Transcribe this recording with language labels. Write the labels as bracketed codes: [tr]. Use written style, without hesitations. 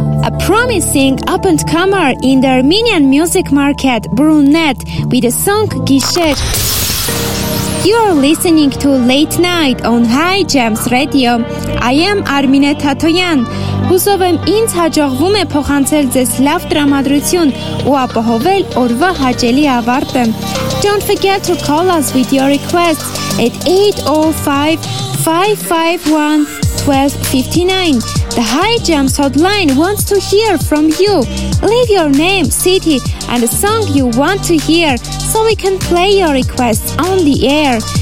[en] A promising up-and-comer in the Armenian music market, Brunette, with the song Gishet. You are listening to Late Night on High Jams Radio. I am Armine Tatoyan. [hy] Հուսով եմ ինձ հաջողվում է փոխանցել ձեզ լավ տրամադրություն ու ապահովել օրվա հաճելի ավարտը. [en] Don't forget to call us with your requests at 805-551-1259. The High Jams Hotline wants to hear from you. Leave your name, city, and a song you want to hear so we can play your requests on the air.